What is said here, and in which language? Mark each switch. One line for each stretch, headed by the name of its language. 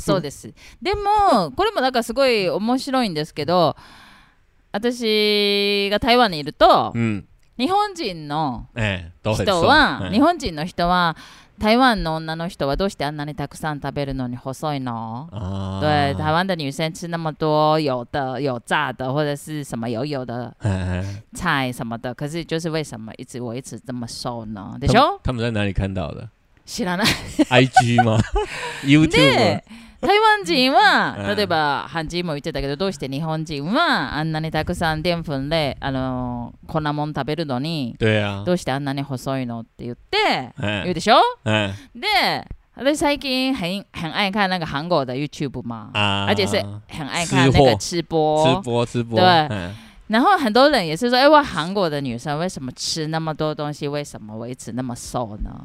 Japanese: そうです。でもこれもなんかすごい面白いんですけど、私が台湾にいると、日本人の人は、日本人の人は台湾の女の人はどうしてあんなにたくさん食べるのに細いの？
Chinese: 对，台湾的女生吃那么多油的、油炸的或者是什么油油的菜什么的，可是就是为什么一直这么瘦呢？
Japanese: でしょ？
Chinese: 他们在哪里看到的？
Japanese: 知らない IG も YouTube も台湾人は例えばハンジーも言ってたけど、どうして日本人はあんなにたくさん淀粉で、こんなもん食べるのに、
Chinese: 对啊，
Japanese: どうしてあんなに細いのって言って言うでしょ、で
Chinese: 私最近很爱看那个韩国的 YouTube 嘛、而且是很爱看那个吃播对，然后很多人也是说，哎，哇，韩国的女生为什么吃那么多东西，为什么维持那么瘦呢？